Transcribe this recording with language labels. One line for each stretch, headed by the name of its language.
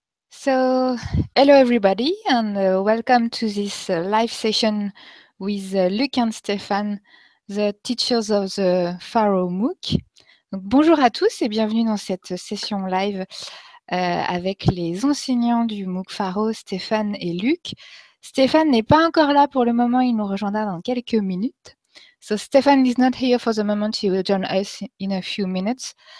English: So, hello everybody, and welcome to this live session with Luc and Stéphane, the teachers of the Pharo MOOC.
French: Donc, bonjour à tous et bienvenue dans cette session live avec les enseignants du MOOC Pharo, Stéphane et Luc. Stéphane n'est pas encore là pour le moment, il nous rejoindra dans quelques minutes.
English: So, Stéphane is not here for the moment, he will join us in a few minutes.